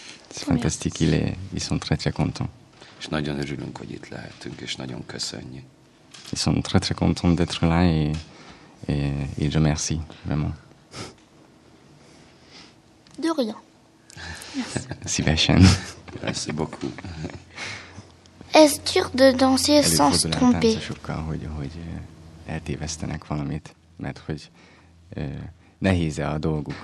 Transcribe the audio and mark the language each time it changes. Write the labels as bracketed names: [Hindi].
[French] C'est fantastique, ils sont très très contents. [Hungarian] És nagyon örülünk, hogy itt lehetünk, és nagyon köszönjük. [French] Ils sont très très contents d'être là et ils remercient vraiment. De rien. Merci. Sébastien. Merci beaucoup. Est-ce dur de danser sans se tromper? [Hungarian] Hogy eltévesztenek valamit, mert hogy nehéz a dolguk.